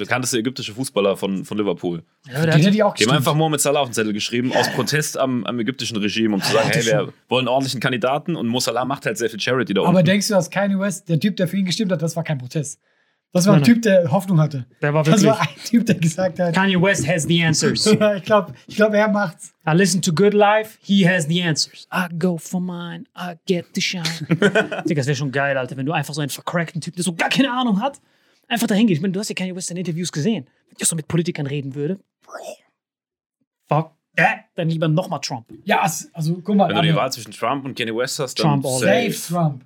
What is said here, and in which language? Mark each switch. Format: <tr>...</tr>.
<de>Der bekannteste ägyptische Fußballer von Liverpool. Ja, den hat die auch haben einfach Mohamed Salah auf den Zettel geschrieben, aus Protest am ägyptischen Regime, um zu sagen, hey, wir wollen ordentlichen Kandidaten und Mo Salah macht halt sehr viel Charity da unten. Aber denkst du, dass Kanye West, der Typ, der für ihn gestimmt hat, das war kein Protest? Das war ein Typ, der Hoffnung hatte. Das war ein Typ, der gesagt hat,</de> <en>Kanye West has the answers.</en> <de>ich glaub, er macht's.</de> <en>I listen to Good Life, he has the answers. I go for mine, I get the shine.</en> <de>Digga, das wäre schon geil, Alter, wenn du einfach so einen vercrackten Typ, der so gar keine Ahnung hat, einfach dahin gehst. Ich meine, du hast ja Kanye West in Interviews gesehen. Wenn ich so mit Politikern reden würde,</de> <en>fuck that,</en> <de>dann lieber nochmal Trump. Ja, also guck mal. Wenn du die Wahl zwischen Trump und Kanye West hast, Trump dann safe. Save Trump.</de>